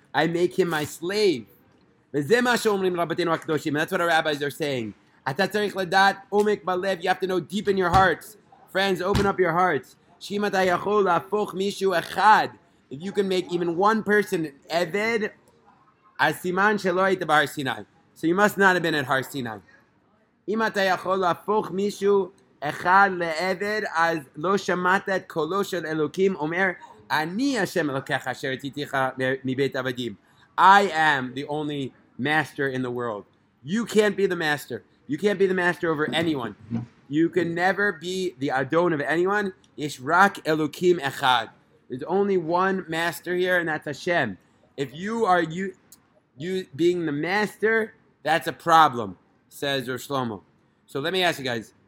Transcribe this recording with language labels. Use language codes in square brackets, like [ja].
[en] I make him my slave. That's what our rabbis are saying. You have to know deep in your hearts. Friends, open up your hearts. If you can make even one person an Eved, so you must not have been at Har Sinai. [he] אם אתה יכול להפוך מישהו אחד לעבד, אז לא שמעת את קולו של אלוקים אומר, אני השם אלוקיך אשר הוצאתיך מבית עבדים. [en] I am the only master in the world. You can't be the master. You can't be the master over anyone. You can never be the Adon of anyone. [he] Yesh rak Elokim echad. [en] There's only one master here, and that's Hashem. If you are you being the master, that's a problem, says Rav Shlomo. So let me ask you guys.